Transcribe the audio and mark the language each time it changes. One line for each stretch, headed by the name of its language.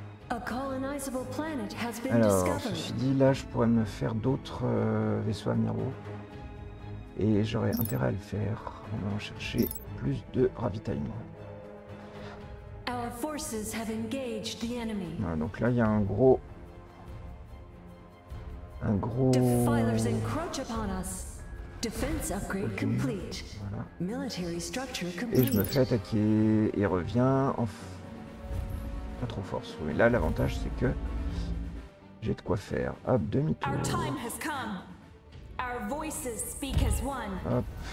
English: A colonizable planet has been discovered.
French: Alors, ceci dit, là, je pourrais me faire d'autres vaisseaux amiraux. Et j'aurais intérêt à le faire en allant chercher plus de ravitaillement.
English: Our forces have engaged the enemy.
French: Ah, donc là, il y a un gros. Un gros.
English: Defilers encroach upon us. Defense upgrade complete.
French: Voilà.
English: Military structure complete.
French: Et je me fais attaquer et reviens en. Pas trop fort. Mais là, l'avantage, c'est que j'ai de quoi faire. Hop, demi-tour.
English: Our time has come. Our voices speak as one.
French: Hop.